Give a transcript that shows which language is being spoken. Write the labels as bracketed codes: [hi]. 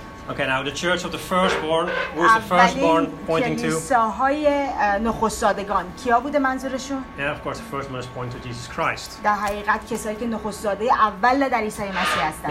[en] Okay, now the church of the firstborn, who is the firstborn pointing to? [fa] کلیساهای نخست‌زادگان کیا بوده منظورشون؟ [en] Yeah, of course, the firstborn is pointing to Jesus Christ. [fa] در حقیقت کسایی که نخست‌زاده اول در عیسی مسیح هستند.